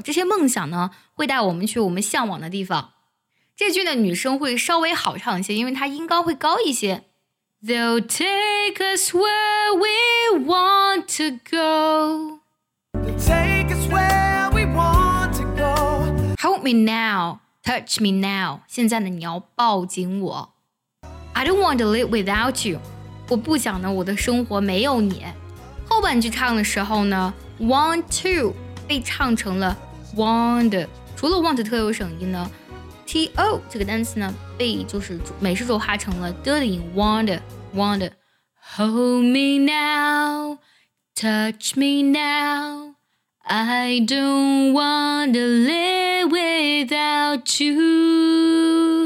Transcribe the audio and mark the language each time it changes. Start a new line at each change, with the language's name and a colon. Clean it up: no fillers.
Chinese: 这些梦想呢，会带我们去我们向往的地方。这句呢，女生会稍微好唱一些，因为她音高会高一些。
English: They'll take us where we want to go. They'll take us where we want to go. Hold me now, touch me now.
Chinese: 现在呢，你要抱紧我。
English: I don't want to live without you.
Chinese: 我不想呢，我的生活没有你。后半句唱的时候呢。
English: Want to
Chinese: 被唱成了 want 除了 want 特有省音呢 T-O 这个单词呢被就是美式浊化成了 的 音 want
English: Hold me now Touch me now I don't want to live without you